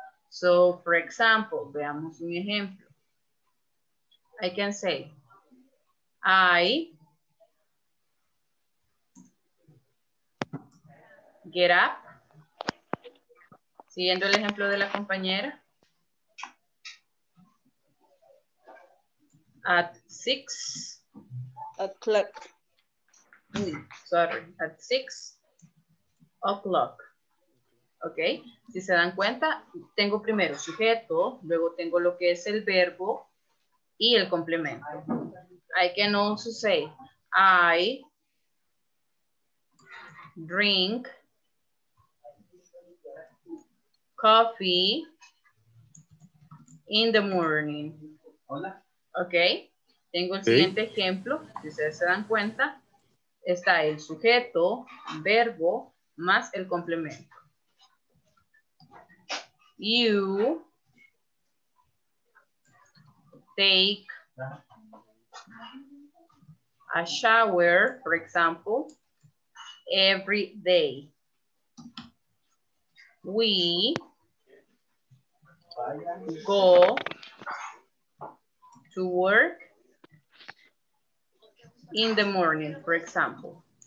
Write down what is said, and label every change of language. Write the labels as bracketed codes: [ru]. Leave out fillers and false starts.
[en] So, for example, [es] veamos un ejemplo. [en] I can say, I get up, [es] siguiendo el ejemplo de la compañera, [en] at 6 o'clock. Sorry, at 6 o'clock. [es] Ok, si se dan cuenta, tengo primero sujeto, luego tengo lo que es el verbo, y el complemento. [en] I can also say, I drink coffee in the morning. [es] Ok. Tengo el siguiente ejemplo. Si ustedes se dan cuenta, está el sujeto, verbo, más el complemento. [en] you take a shower, for example, every day. We go to work in the morning, for example.